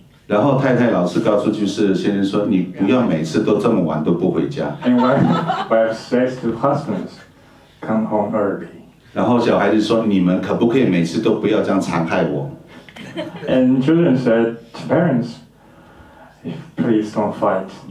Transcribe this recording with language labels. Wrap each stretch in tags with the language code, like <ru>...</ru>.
<zh>然后太太老是告诉就是先生说你不要每次都这么晚都不回家。</zh> <en>And wife says to husbands, come home early.</en> <zh>然后小孩子说你们可不可以每次都不要这样残害我。</zh> <en>And children said to parents, please don't fight.</en>